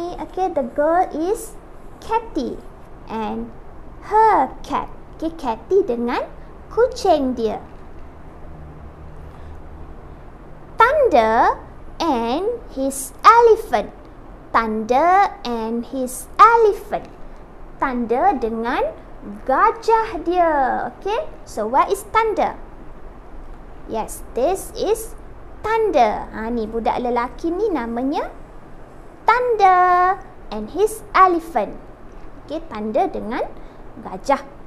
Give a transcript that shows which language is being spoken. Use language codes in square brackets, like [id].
[en] Okay, the girl is Cathy and her cat. [ms] Okay, Cathy dengan kucing dia. [en] Thunder and his elephant. Thunder and his elephant. [ms] Thunder dengan gajah dia. [en] Okay, so where is Thunder? Yes, this is Thunder. [ms] Ni budak lelaki ni namanya Thunder [en] and his elephant. [ms] Okay, Thunder dengan gajah.